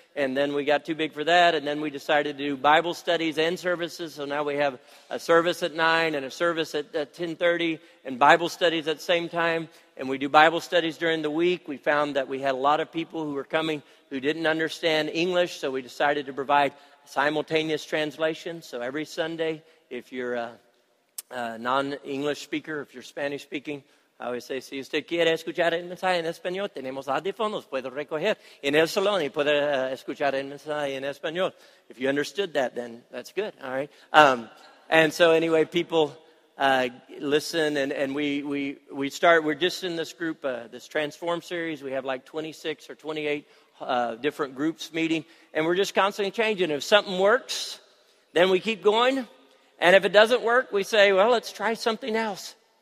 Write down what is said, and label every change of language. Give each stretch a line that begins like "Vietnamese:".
English: And then we got too big for that. And then we decided to do Bible studies and services. So now we have a service at 9 and a service at 10:30 and Bible studies at the same time. And we do Bible studies during the week. We found that we had a lot of people who were coming who didn't understand English. So we decided to provide simultaneous translation. So every Sunday, if you're a non-English speaker, if you're Spanish speaking, I always say,
Spanish: si usted quiere escuchar el mensaje en español, tenemos audífonos, puedo recoger en el salón y poder escuchar el mensaje en español.
English: If you understood that, then that's good, all right? And so anyway, people listen, and we start, we're just in this group, this Transform series. We have like 26 or 28 different groups meeting, and we're just constantly changing. If something works, then we keep going. And if it doesn't work, we say, well, let's try something else.